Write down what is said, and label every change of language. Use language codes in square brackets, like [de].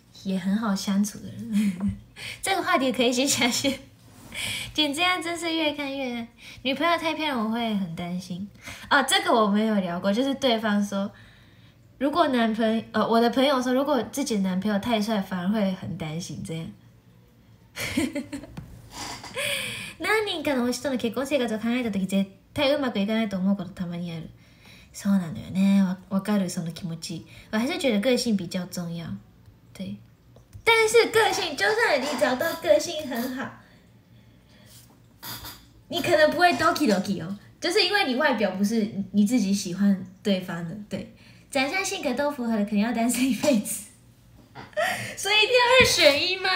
[zh] 也很好相处的人。这个话题可以先下去。简直啊，真是越看越女朋友太漂亮，我会很担心。哦，这个我没有聊过，就是对方说如果男朋友我的朋友说如果自己男朋友太帅反而会很担心这样。 [ja] 何人かの人の結婚生活を考えた時絶対うまくいかないと思うことたまにある。そうなのよね、わかる、その気持ち。 [zh] 我还是觉得个性比较重要，对，但是个性，就算你找到个性很好，你可能不会 doki doki 哦，就是因为你外表不是你自己喜欢对方的，对，长相性格都符合的，肯定要单身一辈子。所以一定要二选一吗？